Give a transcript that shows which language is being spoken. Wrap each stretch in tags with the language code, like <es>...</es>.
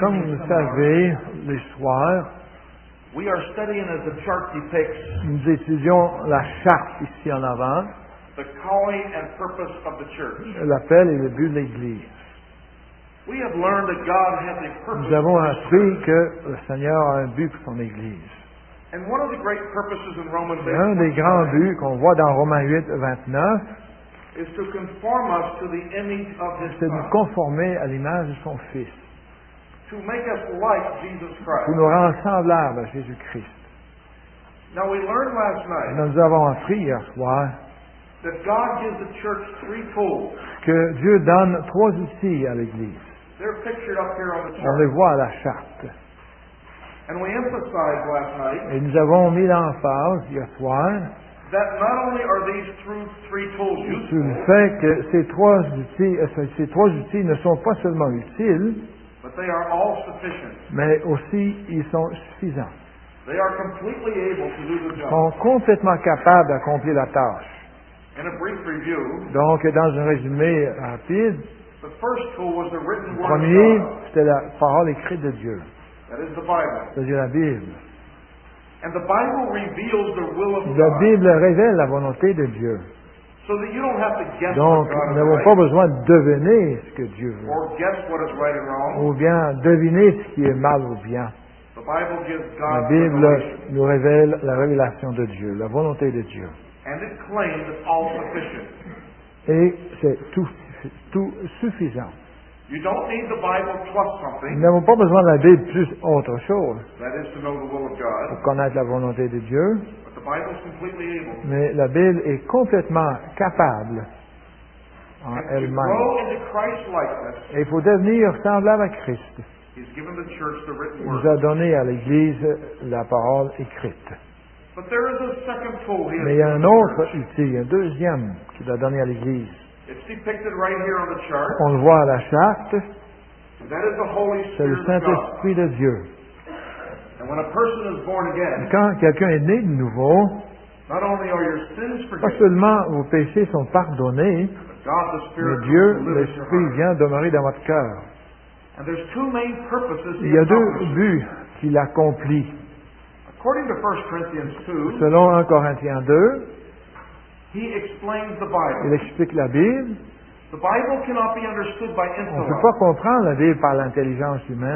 <fr>comme vous savez, le soir,</fr> <en>we are studying as the chart depicts,</en> <fr>nous étudions la charte ici en avant,</fr> <en>the calling and purpose of the church.</en> <fr>L'appel et le but de l'Église.</fr> <en>We have learned that God has a purpose.</en> <fr>Nous avons appris que le Seigneur a un but pour son Église.</fr> <en>And one of the great purposes in Romans 8,</en> <fr>un des grands buts qu'on voit dans Romains 8, 29,</fr> <en>is to conform us to the image of his</en> <fr>c'est de nous conformer à l'image de son Fils.</fr> <en>To make us like Jesus Christ.</en> <fr>Pour nous rendre semblables à Jésus-Christ.</fr> <en>Now we learned last night,</en> <fr>et nous avons appris hier soir</fr> <en>that God gives the church three tools.</en> <fr>Que Dieu donne trois outils à l'Église.</fr> <en>They're pictured up here on the chart.</en> <fr>On les voit à la charte.</fr> <en>And we emphasized last night,</en> <fr>et nous avons mis l'emphase hier soir</fr> <en>that not only are these three tools useful,</en> <fr>sur le fait que ces trois outils ne sont pas seulement utiles,</fr> <en>but they are all sufficient.</en> <fr>Mais aussi ils sont suffisants.</fr> <en>They are completely able to do the job.</en> <fr>Ils sont complètement capables d'accomplir la tâche.</fr> <en>In a brief review,</en> <fr>donc, dans un résumé rapide,</fr> <en>the first tool was the written</en> <fr>le premier,</fr> <en>word of God.</en> <fr>C'était la parole écrite de Dieu,</fr> <en>that is the Bible.</en> <fr>C'est-à-dire la Bible.</fr> <en>And the Bible reveals the will of God.</en> <fr>La Bible révèle la volonté de Dieu.</fr> <en>So that you don't have to guess.</en> <fr>Donc,</fr> <en>what God</en> <fr>nous n'avons pas besoin de deviner ce que Dieu veut.</fr> <en>Or guess what is right and wrong.</en> <fr>Ou bien deviner ce qui est mal ou bien.</fr> <en>The Bible gives God</en> <fr>la Bible nous révèle la révélation de Dieu, la volonté de Dieu.</fr> <en>And it claims all sufficient.</en> <fr>Et c'est tout suffisant.</fr> <en>You don't need the Bible plus something.</en> <fr>Nous n'avons pas besoin de la Bible plus autre chose.</fr> <en>That is to know the will of God.</en> <fr>Pour connaître la volonté de Dieu.</fr> <en>But the Bible is completely able.</en> <fr>Mais la Bible est complètement capable en elle-même.</fr> <en>To grow into Christ-likeness,</en> <fr>et il faut devenir semblable à Christ.</fr> <en>He's given the church the written word.</en> <fr>Il nous a donné à l'Église la parole écrite.</fr> <en>But there is a second tool here.</en> <fr>Mais il y a un autre outil, un deuxième qu'il a donné à l'Église.</fr> <en>It's depicted right here on the chart.</en> <fr>On le voit à la charte.</fr> <en>That is the Holy Spirit.</en> <fr>C'est le Saint-Esprit de Dieu.</fr> <en>And when a person is born again,</en> <fr>quand quelqu'un est né de nouveau,</fr> <en>not only are your sins forgiven,</en> <fr>pas seulement vos péchés sont pardonnés,</fr> <en>God, the Spirit,</en> <fr>mais Dieu, l'Esprit, vient demeurer dans votre cœur.</fr> <en>And there's two main purposes.</en> <fr>Il y a deux buts qu'il accomplit.</fr> <en>According to 1 Corinthians 2,</en> <fr>selon 1 Corinthiens 2,</fr> <en>he explains the Bible.</en> <fr>Il explique la Bible.</fr> <en>The Bible cannot be understood by intellect.</en> <fr>On ne peut pas comprendre la Bible par l'intelligence humaine,</fr>